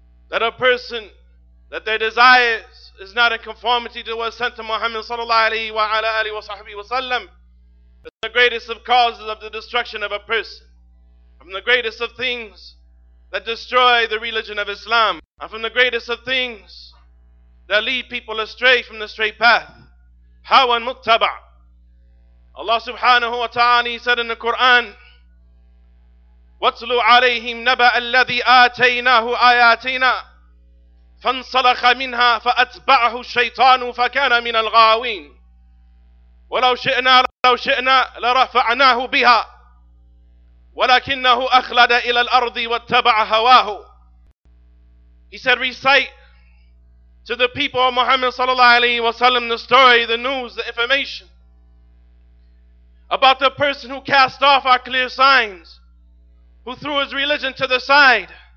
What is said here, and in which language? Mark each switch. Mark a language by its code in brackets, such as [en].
[en] That a person, that their desires is not in conformity to what's sent to Muhammad sallallahu alayhi wa alayhi wa sahbihi wa sallam. It's the greatest of causes of the destruction of a person. From the greatest of things that destroy the religion of Islam. And from the greatest of things that lead people astray from the straight path. [ar] Hawan muttaba. [en] Allah subhanahu wa ta'ala said in the Quran, [ar] وَاتْلُوا عَلَيْهِمْ نَبَأَ الَّذِي آتَيْنَاهُ آيَاتِنَا فَانْصَلَخَ مِنْهَا فَأَتْبَعَهُ الشَّيْطَانُ فَكَانَ مِنَ الْغَاوِينَ وَلَوْ شِئْنَا لَرَفَعْنَاهُ بِهَا وَلَكِنَّهُ أَخْلَدَ إِلَى الْأَرْضِ وَاتَّبَعَ هَوَاهُ. [en] He said, recite to the people of Muhammad sallallahu alayhi wa sallam the story, the news, the information about the person who cast off our clear signs, who threw his religion to the side.